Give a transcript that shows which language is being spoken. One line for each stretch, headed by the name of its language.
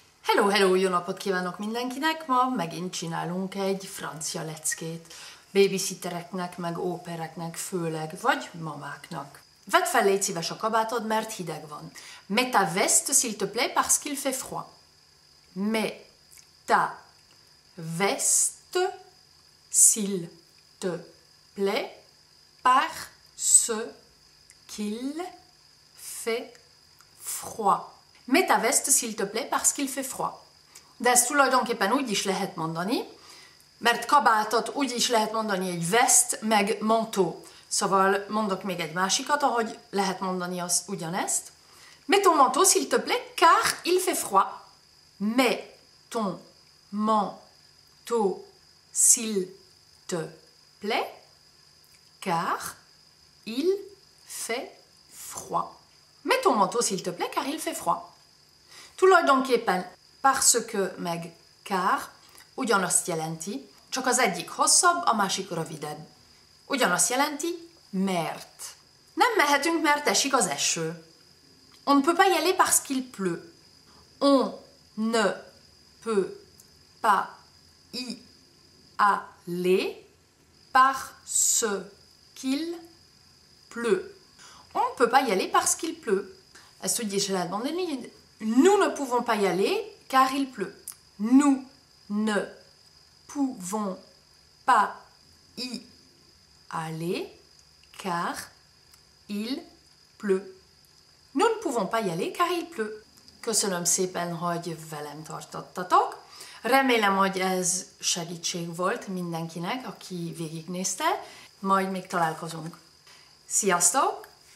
Hungarian: Hello, hello, jó napot kívánok mindenkinek! Ma megint csinálunk egy francia leckét. Babysittereknek, meg ópereknek főleg, vagy mamáknak. Vedd fel, légy szíves a kabátod, mert hideg van.
French: Mets ta veste, s'il te plaît, parce qu'il fait froid. Mets ta veste, s'il te plaît, parce qu'il fait froid. Mets ta veste, s'il te plaît, parce qu'il fait froid.
Hungarian: De ezt tulajdonképpen úgy is lehet mondani, mert kabátot úgy is lehet mondani egy vest meg manteau. Szóval mondok még egy másikat, ahogy lehet mondani az ugyanezt.
French: Mets ton manteau, s'il te plaît, car il fait froid. Mets ton manteau, s'il te plaît, car il fait froid. Mets ton manteau, s'il te plaît, car il fait froid.
Hungarian: Tulajdonképpen parce que meg car ugyanazt jelenti, csak az egyik hosszabb, a másik rövidebb. Ugyanazt jelenti mert. Nem mehetünk, mert esik az eső.
French: On ne peut pas y aller parce qu'il pleut. On ne peut pas y aller parce qu'il pleut. On ne peut pas y aller parce qu'il pleut. Ezt úgy is lehet mondani, nous ne pouvons pas y aller car il pleut. Nous ne pouvons pas y aller car il pleut. Nous ne pouvons pas y aller car il pleut.
Hungarian: Köszönöm szépen, hogy velem tartottatok. Remélem, hogy ez segítség volt mindenkinek, aki végignézte. Majd még találkozunk. Sziasztok!